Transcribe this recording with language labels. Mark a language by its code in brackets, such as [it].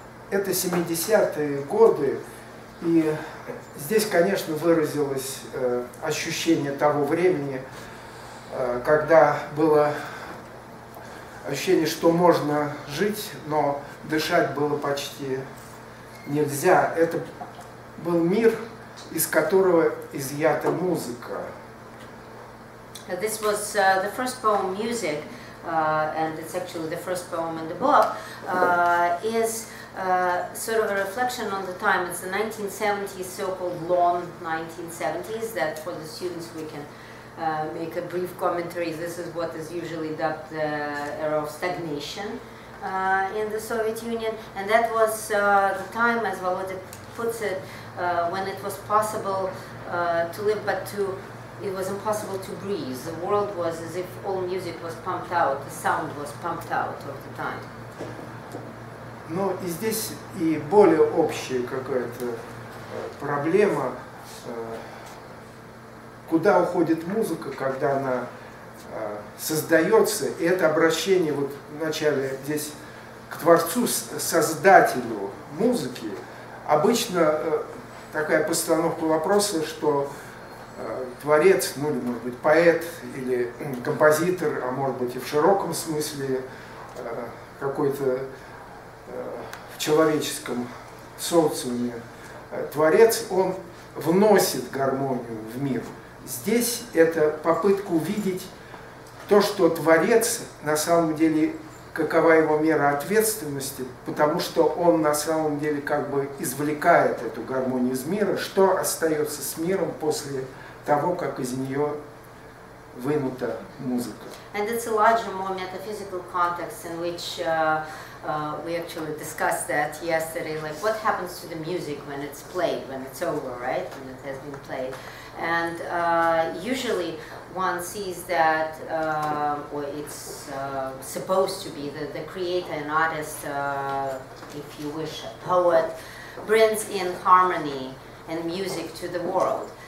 [ru] Это 70-е годы, и здесь, конечно, выразилось ощущение того времени, когда было ощущение, что можно жить, но дышать было почти нельзя. Это был мир, из которого изъята музыка. [en] This was the first poem, Music, and it's actually the first poem in the book, is sort of a reflection on the time. It's the 1970s, so-called long 1970s, that for the students we can make a brief commentary. This is what is usually dubbed the era of stagnation in the Soviet Union. And that was the time, as Volodya puts it, when it was possible to live, but to it was impossible to breathe. The world was as if all music was pumped out, the sound was pumped out of the time. [ru] Но и здесь и более общая какая-то проблема, куда уходит музыка, когда она создается, и это обращение вот вначале здесь к творцу, создателю музыки. Обычно такая постановка вопроса, что творец, ну или может быть поэт, или композитор, а может быть и в широком смысле какой-то в человеческом социуме творец, он вносит гармонию в мир. Здесь это попытка увидеть то, что творец на самом деле, какова его мера ответственности, потому что он на самом деле как бы извлекает эту гармонию из мира, что остается с миром после того, как из нее вынута музыка. [en] And it's a larger, more metaphysical context in which we actually discussed that yesterday, like what happens to the music when it's played, when it's over, right, when it has been played. And usually one sees that, or it's supposed to be, that the creator, an artist, if you wish, a poet, brings in harmony and music to the world.